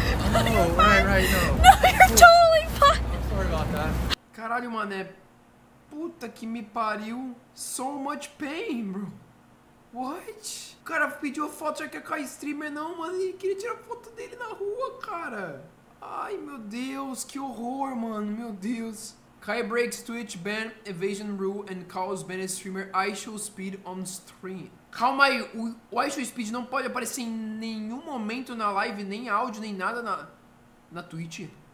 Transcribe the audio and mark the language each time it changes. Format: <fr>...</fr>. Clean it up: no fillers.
<en>No, you're totally fine. Sorry about that.</en> <pt>Caralho, mané. Puta que me pariu.</pt> <en>So much pain, bro. What?</en> <pt>O cara pediu a foto, já que é com a streamer, não, mano. Ele queria tirar foto dele na rua, cara. Ai, meu Deus. Que horror, mano. Meu Deus.</pt> <en>Kai breaks Twitch ban evasion rule and calls ban streamer Aisho Speed on stream.</en> <pt>Calma aí, o Aisho Speed não pode aparecer em nenhum momento na live, nem áudio, nem nada na Twitch.</pt>